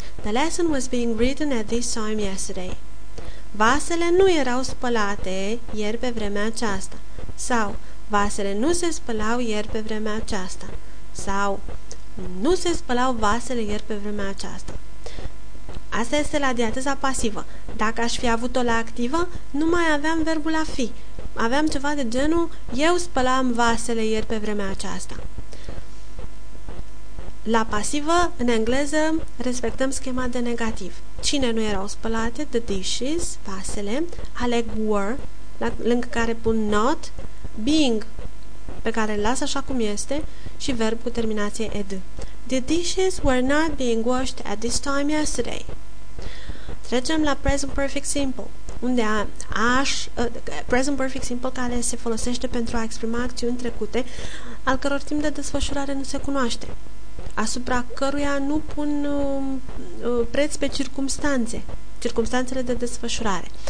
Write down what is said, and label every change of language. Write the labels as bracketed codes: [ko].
[en] The lesson was being written at this time yesterday. [ro] Vasele nu erau spălate ieri pe vremea aceasta. Sau, vasele nu se spălau ieri pe vremea aceasta. Sau, nu se spălau vasele ieri pe vremea aceasta. Asta este la diateza pasivă. Dacă aș fi avut-o la activă, nu mai aveam verbul a fi. Aveam ceva de genul, eu spălam vasele ieri pe vremea aceasta. La pasivă, în engleză, respectăm schema de negativ. Cine nu erau spălate, [en] the dishes, [ro] vasele, aleg were, lângă care pun not, being, pe care îl las așa cum este, și verb cu terminație ed. [en] The dishes were not being washed at this time yesterday. [ro] Trecem la present perfect simple. Unde aș, present perfect simple, care se folosește pentru a exprima acțiuni trecute, al căror timp de desfășurare nu se cunoaște, asupra căruia nu pun preț pe circumstanțele de desfășurare.